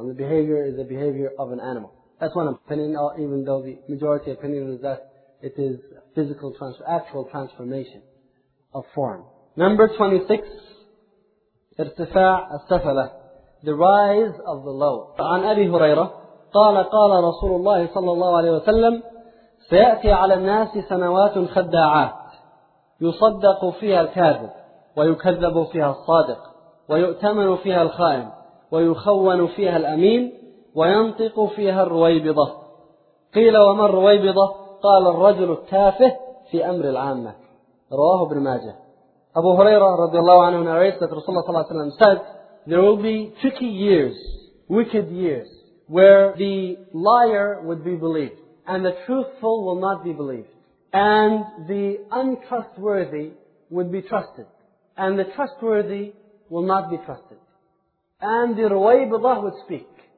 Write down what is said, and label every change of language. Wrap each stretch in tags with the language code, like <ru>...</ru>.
<en>And the behavior is the behavior of an animal. That's one opinion, even though the majority opinion is that it is physical, actual transformation of form. Number 26.</en> <ar>ارتفاع السفلة,</ar> <en>the rise of the low.</en> <ar>عن أبي هريرة قال قال رسول الله صلى الله عليه وسلم سيأتي على الناس سنوات خداعات يصدق فيها الكاذب ويكذب فيها الصادق ويؤتمن فيها الخائن ويخون فيها الأمين وينطق فيها الرويبضة. قيل وما الرويبضة؟ قال الرجل التافه في أمر العامة. رواه ابن ماجه.</ar> <en>أبو هريرة</en> <ar>رضي الله عنه</ar> <en>narrates that Rasulullah</en> <ar>صلى الله عليه وسلم</ar> <en>said there will be tricky years, wicked years, where the liar would be believed and the truthful will not be believed and the untrustworthy would be trusted and the trustworthy will not be trusted and the ruwaybidah would speak.</en>